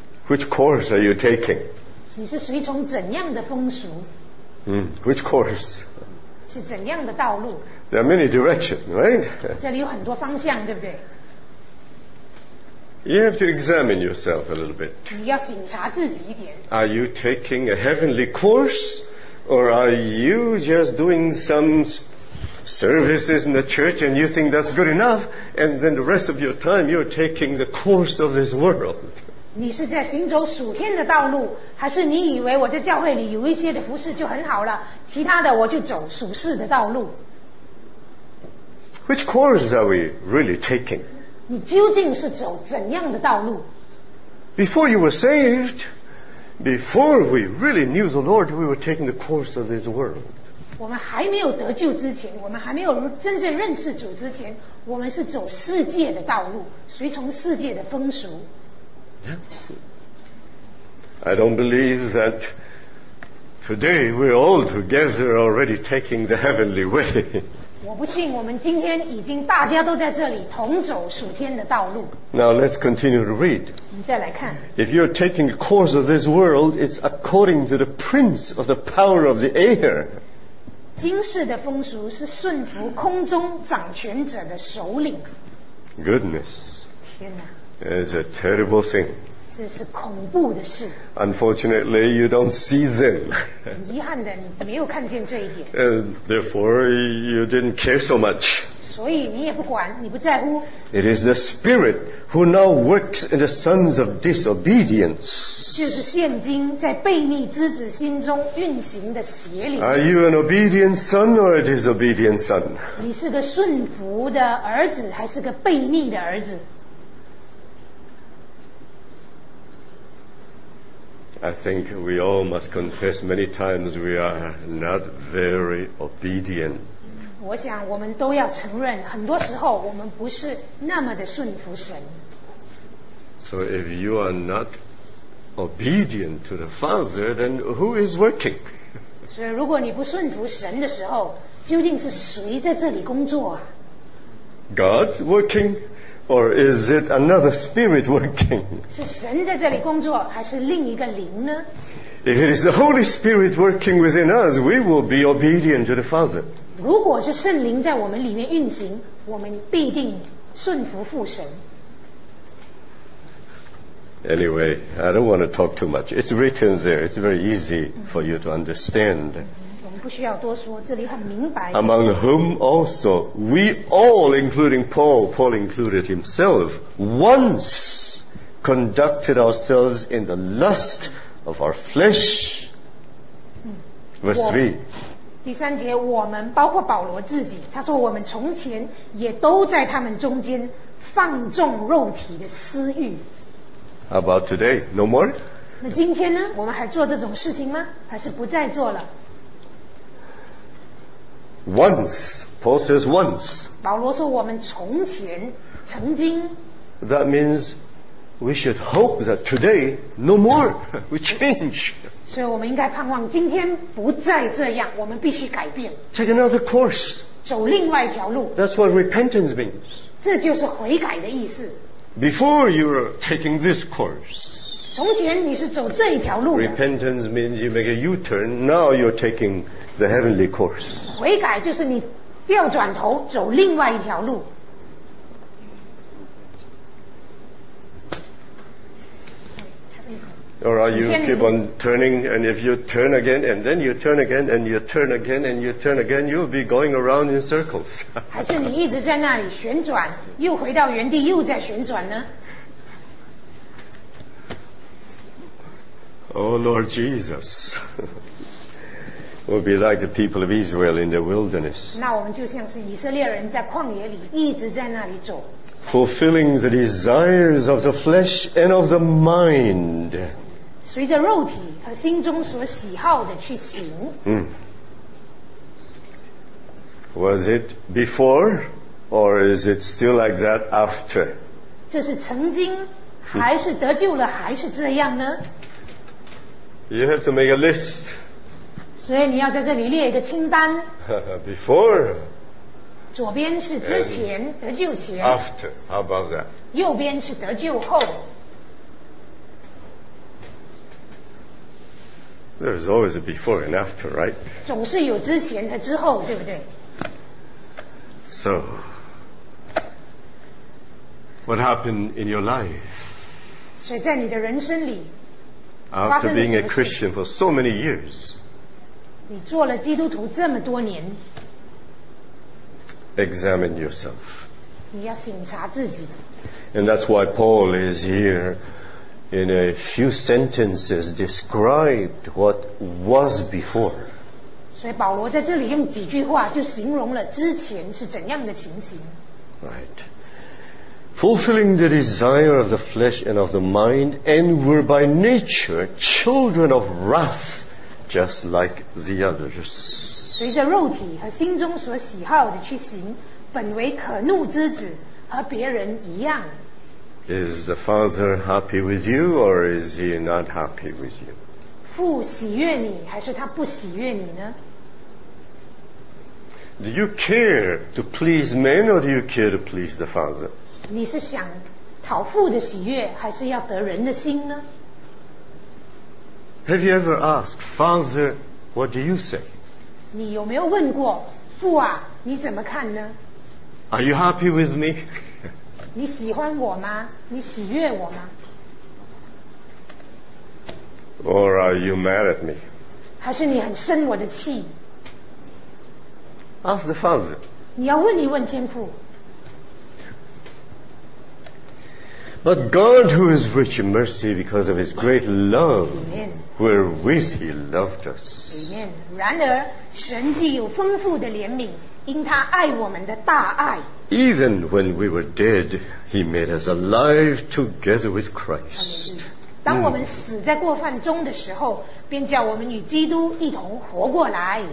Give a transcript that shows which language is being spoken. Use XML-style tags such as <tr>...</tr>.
<en>Which course are you taking?</en> <zh>你是随从怎样的风俗？</zh> <en>Which course?</en> <zh>是怎样的道路？</zh> <en>There are many directions, right?</en> <zh>这里有很多方向，对不对？</zh> <en>You have to examine yourself a little bit.</en> <zh>你要审查自己一点。</zh> <en>Are you taking a heavenly course? Or are you just doing some services in the church and you think that's good enough, and then the rest of your time you're taking the course of this world?</en> <zh>你是在行走属天的道路，还是你以为我在教会里有一些的服事就很好了，其他的我就走属世的道路？</zh> <en>Which course are we really taking?</en> <zh>你究竟是走怎样的道路？</zh> <en>Before you were saved, before we really knew the Lord, we were taking the course of this world.</en> <zh>我们还没有得救之前，我们还没有真正认识主之前，我们是走世界的道路，随从世界的风俗。</zh> <en>I don't believe that today we're all together already taking the heavenly way.</en> <zh>我不信我们今天已经大家都在这里同走属天的道路。</zh> <en>Now let's continue to read.</en> <zh>我们再来看。</zh> <en>If you're taking the course of this world, it's according to the prince of the power of the air.</en> <zh>今世的风俗是顺服空中掌权者的首领。</zh> <en>Goodness.</en> <zh>天哪。</zh> <en>It's a terrible thing.</en> <zh>这是恐怖的事。</zh> <en>Unfortunately, you don't see them.</en> <zh>很遗憾的，你没有看见这一点。</zh> <en>Therefore, you didn't care so much.</en> <zh>所以你也不管，你不在乎。</zh> <en>It is the spirit who now works in the sons of disobedience.</en> <zh>就是现今在悖逆之子心中运行的邪灵。</zh> <en>Are you an obedient son or a disobedient son?</en> <zh>你是个顺服的儿子还是个悖逆的儿子？</zh> <en>I think we all must confess many times we are not very obedient.</en> <zh>我想我们都要承认，很多时候我们不是那么的顺服神。</zh> <en>So if you are notobedient to the Father, then who is working?</en> <zh>所以如果你不顺服神的时候，究竟是谁在这里工作啊？</zh> <en>God working, or is it another spirit working?</en> <zh>是神在这里工作，还是另一个灵呢？</zh> <en>If it is the Holy Spirit working within us, we will be obedient to the Father.</en> <zh>如果是圣灵在我们里面运行，我们必定顺服父神。</zh> <en>Anyway, I don't want to talk too much. It's written there. It's very easy for you to understand.</en> <zh>我们不需要多说，这里很明白。</zh> <en>Among whom also we all, including Paul, Paul included himself, once conducted ourselves in the lust of our flesh. Verse 3.</en> <zh>第三节，我们包括保罗自己，他说我们从前也都在他们中间放纵肉体的私欲。</zh> <en>How about today? No more?</en> <zh>那今天呢？我们还做这种事情吗？还是不再做了？</zh> <en>Once, Paul says once.</en> <zh>保罗说我们从前，曾经。</zh> <en>That means we should hope that today, no more, we change.</en> <zh>所以我们应该盼望今天不再这样，我们必须改变。</zh> <en>Take another course.</en> <zh>走另外一条路。</zh> <en>That's what repentance means.</en> <zh>这就是悔改的意思。</zh> <en>Before you were taking this course,</en> <zh>从前你是走这一条路的。</zh> <en>Repentance means you make a U-turn. Now you're taking the heavenly course.</en> <zh>悔改就是你调转头走另外一条路。</zh> <en>Or are you keep on turning, and if you turn again, and then you turn again, and you turn again, and you turn again, you'll be going around in circles.</en> <zh>还是你一直在那里旋转，又回到原地，又在旋转呢？</zh> <en>Oh Lord Jesus, we'll be like the people of Israel in the wilderness.</en> <zh>那我们就像是以色列人在旷野里一直在那里走。</zh> <en>fulfilling the desires of the flesh and of the mind.</en> <zh>随着肉体和心中所喜好的去行。</zh> <en>Was it before, or is it still like that after?</en> <zh>这是曾经还是得救了还是这样呢？</zh> <en>You have to make a list.</en> <zh>所以你要在这里列一个清单。</zh> <en>Before.</en> <zh>左边是之前得救前。</zh> <en>After, how about that?</en> <zh>右边是得救后。</zh> <en>There is always a before and after, right?</en> <zh>总是有之前和之后，对不对？</zh> <en>So, what happened in your life?</en> <zh>所以在你的人生里</zh> <en>After being a Christian for so many years,</en> <zh>你做了基督徒这么多年</zh> <en>Examine yourself.</en> <zh>你要省察自己。</zh> <en>And that's why Paul is here. In a few sentences, described what was before.</en> <zh>所以保罗在这里用几句话就形容了之前是怎样的情形。</zh> <en>Right. Fulfilling the desire of the flesh and of the mind, and were by nature children of wrath, just like the others.</en> <zh>随着肉体和心中所喜好的去行，本为可怒之子，和别人一样。</zh> <en>Is the father happy with you or is he not happy with you?</en> <zh>父喜悦你还是他不喜悦你呢？</zh> <en>Do you care to please men or do you care to please the father?</en> <zh>你是想讨父的喜悦还是要得人的心呢？</zh> <en>Have you ever asked, Father, what do you say?</en> <zh>你有没有问过，父啊，你怎么看呢？</zh> <en>Are you happy with me?</en> <zh>你喜欢我吗？你喜悦我吗？</zh> <en>Or are you mad at me?</en> <zh>还是你很生我的气？</zh> <en>Ask the Father.</en> <zh>你要问一问天父。</zh> <en>But God, who is rich in mercy because of his great love, wherewith he loved us. Amen.</en> <zh>然而，神既有丰富的怜悯，因他爱我们的大爱。</zh> <en>Even when we were dead, he made us alive together with Christ.</en> <zh>当我们死在过犯中的时候，便叫我们与基督一同活过来。</zh>